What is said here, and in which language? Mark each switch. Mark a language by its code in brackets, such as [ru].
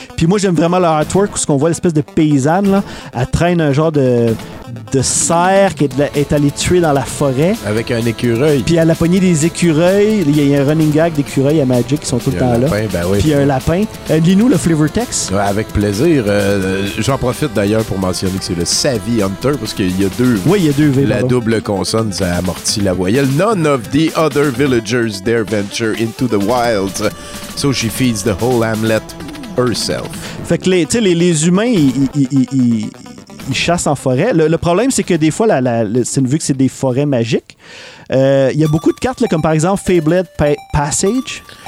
[fr] Puis moi, j'aime vraiment le artwork où on voit l'espèce de paysanne, là. Elle traîne un genre de cerf qui est allé tuer dans la forêt. Avec un écureuil. Puis elle a pogné des écureuils. Il y a un running gag d'écureuils à Magic qui sont tout le temps là. Un lapin. Lis-nous le flavor text. Ouais, avec plaisir. J'en profite d'ailleurs pour mentionner que c'est le Savvy Hunter parce qu'il y a deux V. Oui, il y a deux V. La double consonne, ça amortit la voyelle. [en] None of the other villagers dare venture into the wilds, so she feeds the whole hamlet herself. [fr] Fait que les humains, ils chassent en forêt. Le problème, c'est que des fois, vu que c'est des forêts magiques, il y a beaucoup de cartes, là, comme par exemple Fabled Passage,